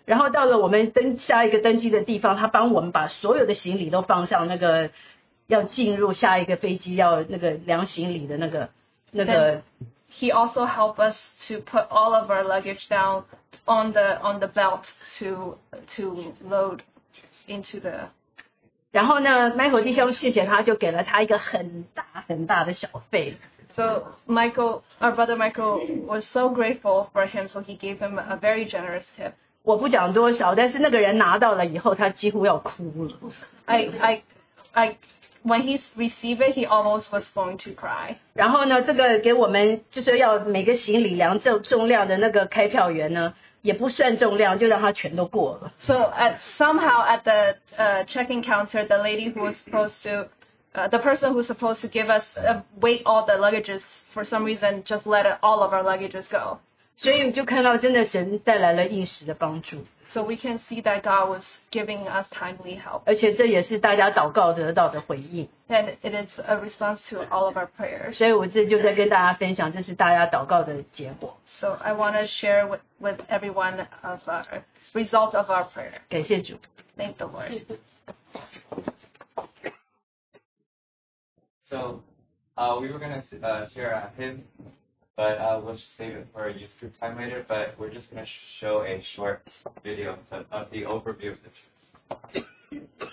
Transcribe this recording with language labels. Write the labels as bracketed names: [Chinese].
[Chinese] 然后到了我们登下一个登机的地方，他帮我们把所有的行李都放上那个要进入下一个飞机要那个量行李的那个。 [English] He also helped us to put all of our luggage down on the belt to load into the. [Chinese] 然后呢 ，Michael 弟兄谢谢他，就给了他一个很大很大的小费。 [English] So our brother Michael was so grateful for him, so he gave him a very generous tip. [Chinese] 我不讲多少，但是那个人拿到了以后，他几乎要哭了。 [English] I when he received it, he almost was going to cry. [Chinese] 然后呢，这个给我们就是要每个行李量重量的那个开票员呢。也不算重量，就让他全都过了。 [English] So somehow at the check-in counter, the lady who was supposed to, the person who was supposed to give us weight all the luggages for some reason just let all of our luggages go. [Chinese] 所以就看到真的神带来了应时的帮助。 [English] So we can see that God was giving us timely help. [Chinese] 而且这也是大家祷告得到的回应。 [English] And it is a response to all of our prayers. [Chinese] 所以我这就在跟大家分享，这是大家祷告的结果。 [English] So I want to share with everyone of our result of our prayer. [Chinese] 感谢主。 [English] Thank the Lord. So we were going to share a hymn, but we'll save it for a youth group time later, but we're just going to show a short video of the overview of the church.